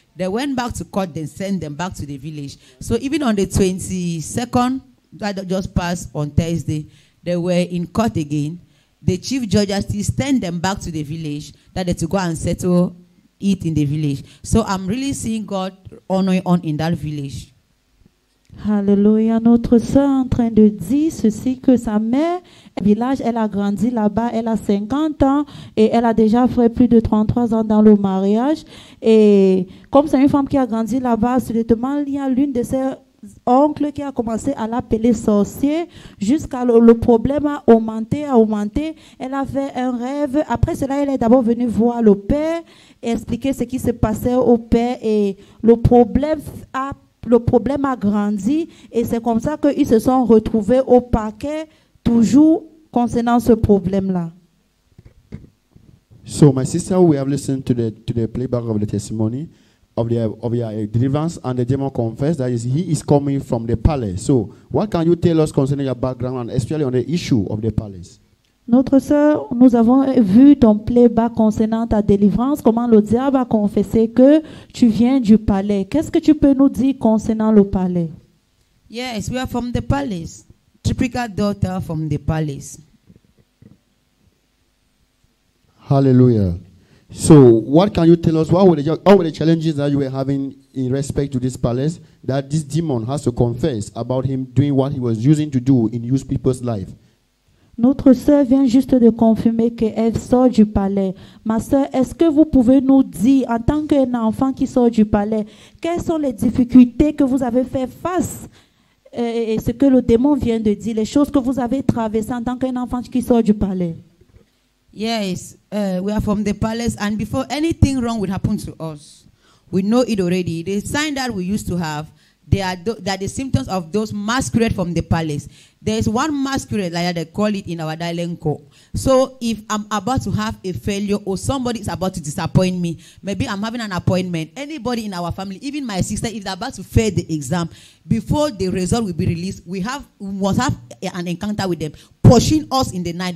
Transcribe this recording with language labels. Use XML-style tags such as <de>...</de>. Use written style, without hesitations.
<en>They went back to court, then sent them back to the village. So even on the 22nd, that just passed on Thursday, they were in court again. The chief judge still sent them back to the village that they to go and settle it in the village. So I'm really seeing God honoring on in that village. Hallelujah.</en> <fr>Notre soeur en train de dire ceci que sa mère, village, elle a grandi là-bas, elle a 50 ans et elle a déjà fait plus de 33 ans dans le mariage. Et comme c'est une femme qui a grandi là-bas, soudainement, il y a l'une de ses oncle qui a commencé à l'appeler sorcier jusqu'à le problème a augmenté. Elle avait un rêve. Après cela, elle est d'abord venue voir le père et expliquer ce qui se passait au père et le problème a grandi et c'est comme ça qu'ils se sont retrouvés au parquet toujours concernant ce problème là.</fr> <en>So my sister, we have listened to the playback of the testimony of your deliverance, and the demon confessed that he is coming from the palace. So, what can you tell us concerning your background and especially on the issue of the palace?</en> <fr>Notre sœur, nous avons vu ton playback concernant ta délivrance, comment le diable a confessé que tu viens du palais. Qu'est-ce que tu peux nous dire concernant le palais?</fr> <en>Yes, we are from the palace. Triplicate daughter from the palace. Hallelujah. So, what can you tell us? What were the challenges that you were having in respect to this palace that this demon has to confess about him doing what he was using to do in used people's life?</en> <fr>Notre sœur vient juste de confirmer qu'elle sort du palais. Ma sœur, est-ce que vous pouvez nous dire, en tant qu'un enfant qui sort du palais, quelles sont les difficultés que vous avez fait face et ce que le démon vient de dire, les choses que vous avez traversées en tant qu'un enfant qui sort du palais?</fr> <en>Yes, we are from the palace, and before anything wrong would happen to us, we know it already. The sign that we used to have, they are the symptoms of those masquerade from the palace. There is one masquerade, like they call it in our dialect. So if I'm about to have a failure or somebody is about to disappoint me, maybe I'm having an appointment, anybody in our family, even my sister, if they're about to fail the exam, before the result will be released, we must have an encounter with them, pushing us in the night.</en>